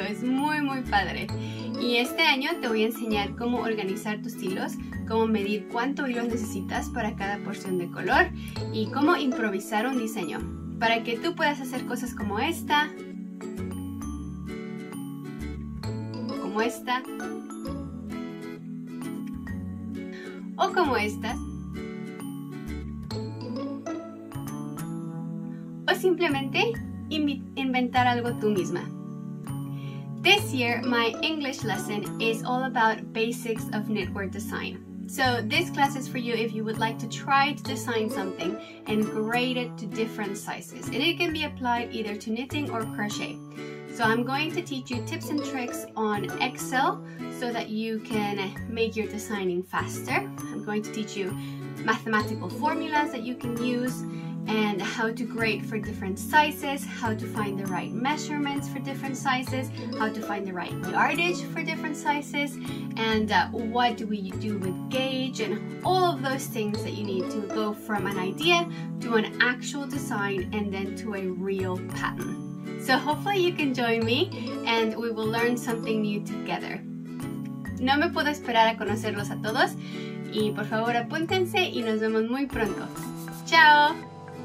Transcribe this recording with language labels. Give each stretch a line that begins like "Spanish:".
Spanish: Es muy, muy padre. Y este año te voy a enseñar cómo organizar tus hilos, cómo medir cuánto hilo necesitas para cada porción de color y cómo improvisar un diseño para que tú puedas hacer cosas como esta, como esta, o como estas, o simplemente inventar algo tú misma.
English: This year, my English lesson is all about basics of knitwear design. So this class is for you if you would like to try to design something and grade it to different sizes. And it can be applied either to knitting or crochet. So I'm going to teach you tips and tricks on Excel so that you can make your designing faster. I'm going to teach you mathematical formulas that you can use and how to grade for different sizes, how to find the right measurements for different sizes, how to find the right yardage for different sizes, and what do we do with gauge, and all of those things that you need to go from an idea to an actual design and then to a real pattern. So hopefully you can join me and we will learn something new together.
Spanish: No me puedo esperar a conocerlos a todos, y por favor apúntense y nos vemos muy pronto. ¡Chao!